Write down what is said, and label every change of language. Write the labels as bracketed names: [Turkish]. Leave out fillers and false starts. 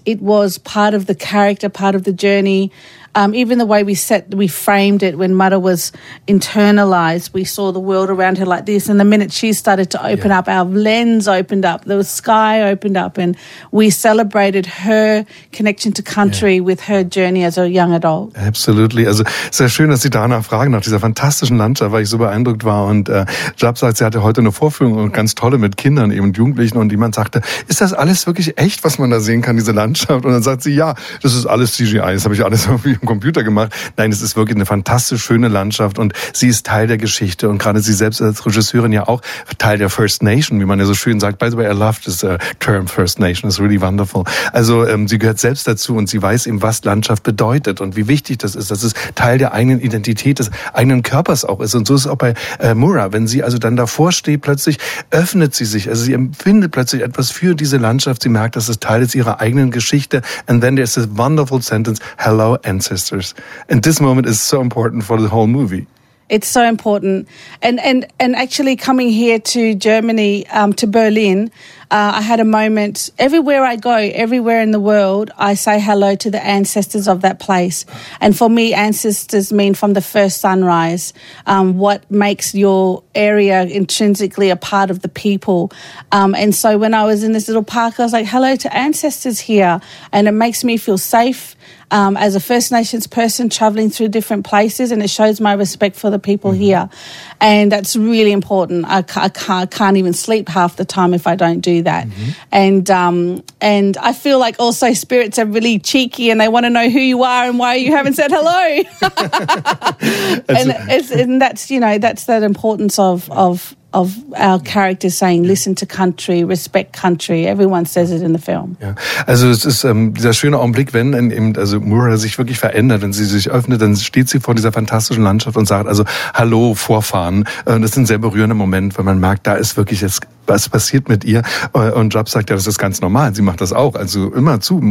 [English] It was part of the character, part of the journey. Even the way we framed it when Mara was internalized, we saw the world around her like this. And the minute she started to open up, our lens opened up, the sky opened up, and we celebrated her connection to country with her journey as a young adult. Absolutely. [German] Also, sehr schön, dass Sie danach fragen, nach dieser fantastischen Landschaft, weil ich so beeindruckt war. Und Jab sagt, sie hatte heute eine Vorführung und ganz tolle mit Kindern eben und Jugendlichen. Und jemand sagte, ist das alles wirklich echt, was man da sehen kann, diese Landschaft? Und dann sagt sie, ja, das ist alles CGI, das habe ich alles irgendwie im Computer gemacht. Nein, es ist wirklich eine fantastisch schöne Landschaft und sie ist Teil der Geschichte und gerade sie selbst als Regisseurin ja auch Teil der First Nation, wie man ja so schön sagt. [English] By the way, I love this term First Nation. It's really wonderful. [German] Also sie gehört selbst dazu und sie weiß eben, was Landschaft bedeutet und wie wichtig das ist, dass es Teil der eigenen Identität, des eigenen Körpers auch ist. Und so ist es auch bei Mura. Wenn sie also dann davor steht, plötzlich öffnet sie sich. Also sie empfindet plötzlich etwas für diese Landschaft. Sie merkt, dass es Teil ist ihrer eigenen Geschichte. [English] And then there's this wonderful sentence, hello and sisters. And this moment is so important for the whole movie. It's so important. And actually coming here to Germany, to Berlin, I had a moment. Everywhere I go, everywhere in the world, I say hello to the ancestors of that place. And for me, ancestors mean from the first sunrise, what makes your area intrinsically a part of the people. And so when I was in this little park, I was like, hello to ancestors here. And it makes me feel safe. As a First Nations person traveling through different places, and it shows my respect for the people here. And that's really important. I can't even sleep half the time if I don't do that. Mm-hmm. And I feel like also spirits are really cheeky and they want to know who you are and why you haven't said hello. that's that importance of our characters saying, listen to country, respect country. Everyone says it in the film. [German] Ja. Also es ist dieser schöne Augenblick, wenn eben, also Mura sich wirklich verändert, wenn sie sich öffnet, dann steht sie vor dieser fantastischen Landschaft und sagt, also hallo Vorfahren. Das ist ein sehr berührender Moment, weil man merkt, da ist wirklich jetzt was passiert mit ihr? Und Jab sagt, ja, das ist ganz normal. Sie macht das auch. Also immer zu.